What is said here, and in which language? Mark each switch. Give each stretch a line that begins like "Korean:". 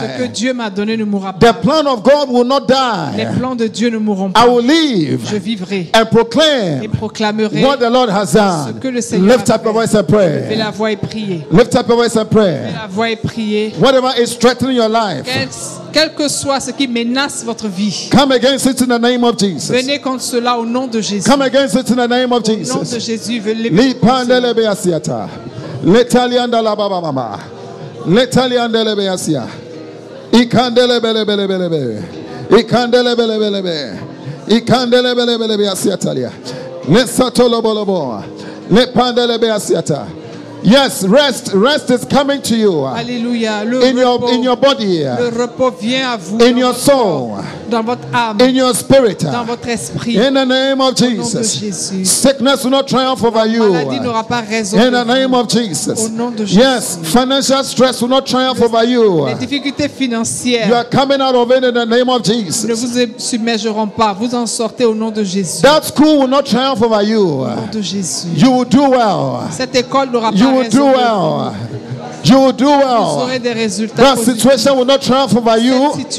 French: Ce que Dieu m'a donné ne mourra pas.
English: The plan of God will not die.
French: Les plans de Dieu ne mourront pas.
English: I will live.
French: Je vivrai.
English: And proclaim.
French: Et proclamerai.
English: What the Lord has done.
French: Ce que le Seigneur.
English: Lift up your voice and pray.
French: Levez la voix et priez.
English: Lift up your voice and pray.
French: Levez la voix. Prier.
English: Whatever is threatening your life,
French: quel que soit ce qui menace votre vie,
English: come against it in the name of Jesus.
French: Venez contre cela au nom de Jésus.
English: Come against it in the name of Jesus.
French: Au nom de Jésus, l'Ipandele beasiata, l'Italian de la baba mama, l'Italian de la beasia, ikandele bele bele bele bele, ikandele bele bele bele, ikandele bele bele beasiata lia, l'Satolo bolo bo, l'Ipandele beasiata.
English: Yes, rest. Rest is coming to you.
French: Alleluia. Le
English: in
French: repos,
English: your body.
French: Le repos vient à vous.
English: In your soul.
French: Dans votre âme.
English: In your spirit.
French: Dans votre esprit.
English: In the name of Jesus.
French: Au nom de Jésus.
English: Sickness will not triumph over you.
French: La maladie n'aura pas raison.
English: In the name of Jesus.
French: Au nom de Jésus.
English: Yes, financial stress will not triumph over you.
French: Les difficultés financières.
English: You are coming out of it in the name of Jesus.
French: Ne vous submergeront pas. Vous en sortez au nom de Jésus.
English: That school will not triumph over you.
French: Au nom de Jésus.
English: You will do well.
French: Cette école n'aura
English: you will do well. You will do well. That situation will not triumph over you.